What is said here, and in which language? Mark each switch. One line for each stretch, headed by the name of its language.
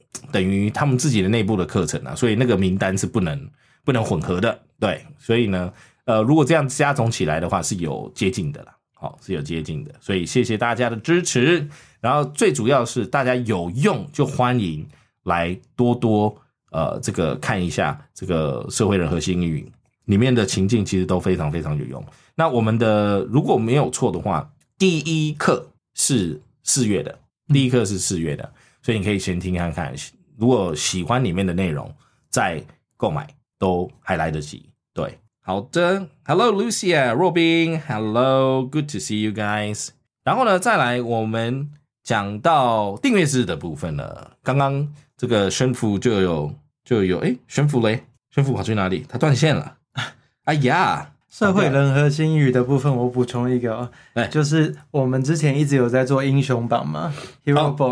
Chinese: 等于他们自己的内部的课程啦，所以那个名单是不能混合的，对，所以呢如果这样加总起来的话是有接近的啦，好，是有接近的，所以谢谢大家的支持，然后最主要是大家有用就欢迎来多多这个看一下这个社会人核心英语里面的情境，其实都非常非常有用。那我们的如果没有错的话，第一课是四月的，第一课是四月的，所以你可以先听看看，如果喜欢里面的内容再购买都还来得及，对，好的。
English: Hello Lucia, Robin, Hello, good to see you guys.
Chinese: 然后呢再来我们讲到订阅制的部分了，刚刚这个宣福就有，诶，宣福嘞，宣福跑去哪里？他断线了。哎呀，社会人和心语的部分我补充一个、哦、就是我们之前一直有在做英雄榜嘛 Hero Board、